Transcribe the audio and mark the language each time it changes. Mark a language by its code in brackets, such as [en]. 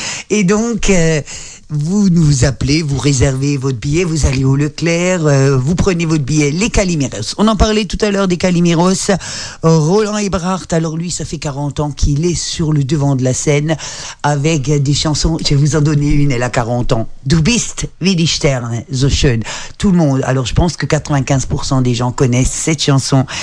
[fr] Et donc, vous nous appelez, vous réservez votre billet, vous allez au Leclerc, vous prenez votre billet, les Calimeros. On en parlait tout à l'heure des Calimeros. Roland Ebrard, alors lui, ça fait 40 ans qu'il est sur le devant de la scène avec des chansons. Je vais vous en donner une, elle a 40 ans. [de] Du bist, wie die Sterne, so schön. [fr] Tout le monde, alors je pense que 95% des gens connaissent cette chanson.